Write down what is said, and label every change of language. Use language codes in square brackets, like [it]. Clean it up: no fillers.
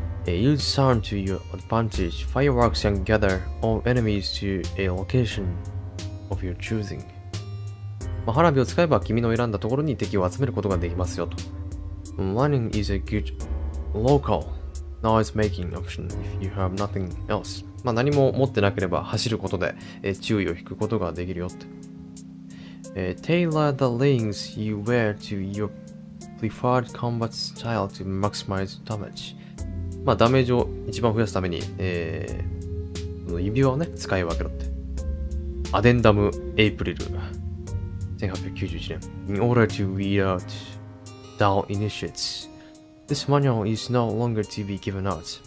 [en] Use sound to your advantage. Fireworks can gather all enemies to a location of your choosing. [ja] 花火を使えば君の選んだところに敵を集めることができますよと。 [en] Running is a good local noise making option if you have nothing else. [ja] まあ何も持ってなければ走ることで、注意を引くことができるよって。 [en] Tailor the leggings you wear to your preferred combat style to maximize damage. [ja] まあダメージを一番増やすために、この指輪をね、使い分けろって。アデンダムエイプリル。 [en] 1891年。In order to weed out dull initiates, this manual is no longer to be given out.